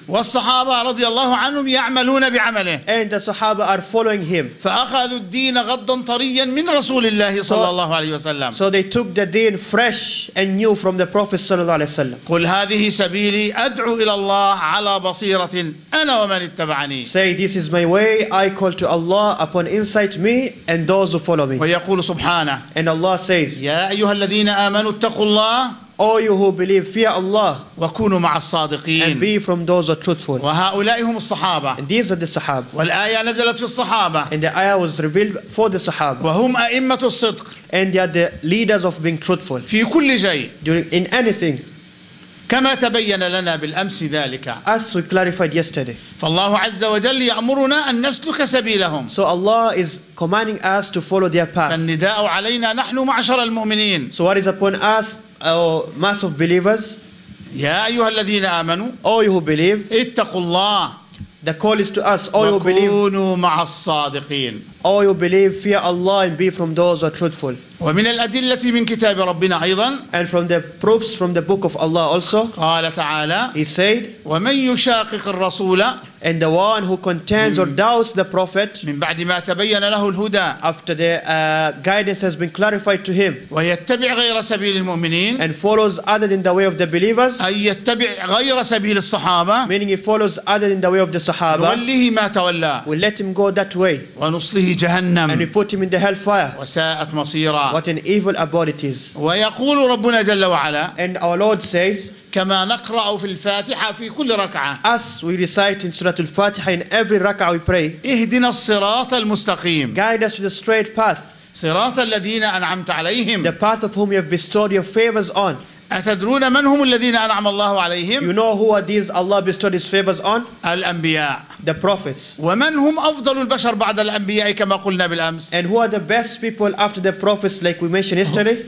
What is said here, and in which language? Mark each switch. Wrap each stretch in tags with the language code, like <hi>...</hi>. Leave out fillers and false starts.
<ar>والصحابة رضي الله عنهم يعملون بعمله.</ar> <en>And the Sahaba are following him.</en> <ar>فأخذوا الدين غضا طريا من رسول الله صلى الله عليه وسلم.</ar> <en>So they took the deen fresh and new from the Prophet</en> <ar>صلى الله عليه وسلم. قل هذه سبيلي أدعو إلى الله على بصيرة أنا ومن اتبعني.</ar> <en>Say this is my way I call to Allah upon insight me and those who follow me.</en> <ar>ويقول سبحانه.</ar> <en>And Allah says,</en> <ar>يا أيها الذين آمنوا اتقوا الله.</ar> <en>All you who believe, fear Allah.</en> <ar>وكونوا مع الصادقين.</ar> <en>And be from those who are truthful.</en> <ar>وهؤلاء هم الصحابة.</ar> <en>And these are the Sahaba.</en> <ar>والآية نزلت في الصحابة.</ar> <en>And the ayah was revealed for the Sahaba.</en> <ar>وهم أئمة الصدق.</ar> <en>And they are the leaders of being truthful.</en> <ar>في كل شيء.</ar> <en>During in anything.</en> <ar>كما تبين لنا بالأمس ذلك.</ar> <en>As we clarified yesterday.</en> <ar>فالله عز وجل يأمرنا أن نسلك سبيلهم.</ar> <en>So Allah is commanding us to follow their path.</en> <ar>فالنداء علينا نحن معشر المؤمنين.</ar> <en>So what is upon us, our mass of believers?</en> <ar>يا أيها الذين آمنوا.</ar> <en>All you who believe.</en> <ar>اتقوا الله.</ar> <en>The call is to us, all you believe.</en> <ar>وكونوا مع الصادقين.</ar> <en>All you believe, fear Allah and be from those who are truthful.</en> <ar>ومن الأدلة من كتاب ربنا أيضا.</ar> <en>And from the proofs from the book of Allah also.</en> <ar>قال تعالى.</ar> <en>He said.</en> <ar>ومن يشاقق الرسول.</ar> <en>and the one who contends or doubts the prophet</en> <ar>من بعد ما تبين له الهدى</ar> <en>after the guidance has been clarified to him</en> <ar>ويتبع غير سبيل المؤمنين</ar> <en>and follows other than the way of the believers</en> <ar>أي يتبع غير سبيل الصحابة</ar> <en>meaning he follows other than the way of the صحابة</en> <ar>نوليه ما تولى</ar> <en>we let him go that way</en> <ar>ونصله جهنم</ar> <en>and we put him in the hellfire</en> <ar>وساءت مصيرا</ar> <en>what an evil about it is</en> <ar>ويقول ربنا جل وعلا</ar> <en>and our Lord says</en> <ar>كما نقرأ في الفاتحة في كل ركعة.</ar> <en>As we recite in Surah Al-Fatiha in every rak'ah we pray.</en> <ar>اهدنا الصراط المستقيم.</ar> <en>Guide us to the straight path.</en> <ar>صراط الذين أنعمت عليهم.</ar> <en>The path of whom you have bestowed your favors on.</en> <ar>أتدرون من هم الذين أنعم الله عليهم؟</ar> <en>You know who are these Allah bestowed His favors on?</en> <ar>الأنبياء.</ar> <en>The prophets.</en> <ar>ومن هم أفضل البشر بعد الأنبياء كما قلنا بالأمس؟</ar> <en>And who are the best people after the prophets like we mentioned yesterday?</en>